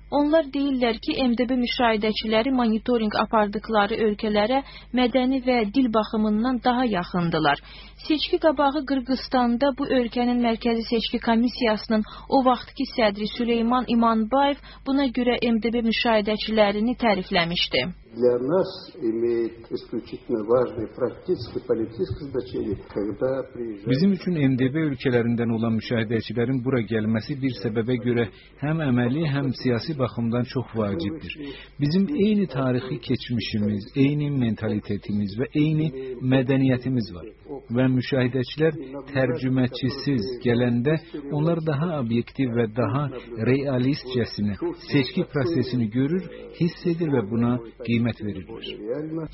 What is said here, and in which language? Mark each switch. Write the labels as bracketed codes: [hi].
[az] Onlar deyirlər ki, MDB müşahidəçiləri monitoring apardıqları ölkələrə mədəni və dil baxımından daha yaxındılar. Seçki qabağı Qırğızstanda bu ölkənin Mərkəzi Seçki Komissiyasının o vaxtki sədri Süleyman İmanbayev buna görə MDB müşahidəçilərini tərifləmişdi. [ru] Для нас имеет исключительно важный практический политический значение, когда приезжают. [az] Bizim üçün MDB ölkələrindən olan müşahidəçilərin bura gəlməsi bir səbəbə görə həm əməli, həm siyasi baxımdan çox vacibdir. Bizim eyni tarixi keçmişimiz, eyni mentalitetimiz və eyni mədəniyyətimiz var. Və müşahidəçilər tərcüməçisiz gələndə onlar daha obyektiv və daha realistcəsini seçki prosesini görür, hiss edir və buna qiymət verirlər.